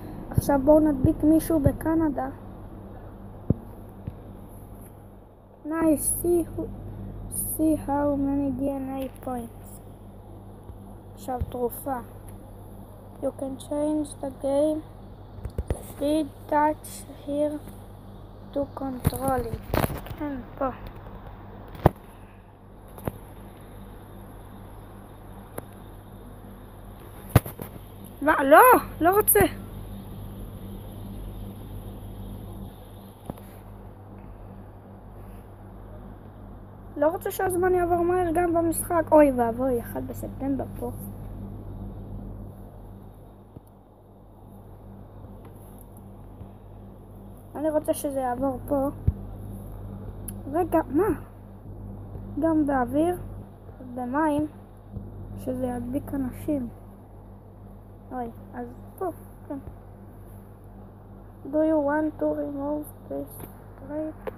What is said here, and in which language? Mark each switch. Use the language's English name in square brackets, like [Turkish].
[Hebrew] עכשיו בואו נדביק מישהו בקנדה. [English] Nice, see how many DNA points. [Hebrew] עכשיו תרופה. [English] You can change the game. Read touch here to control it. [Hebrew] כן, פה. מה? לא! לא רוצה! לא רוצה שהזמן יעבור מהר גם במשחק. אוי ואבוי, 1 בספטמבר פה. אני רוצה שזה יעבור פה. רגע, מה? גם באוויר, במים, שזה ידביק אנשים. אוי, אז פה, כן. [English] Do you want to remove this trait?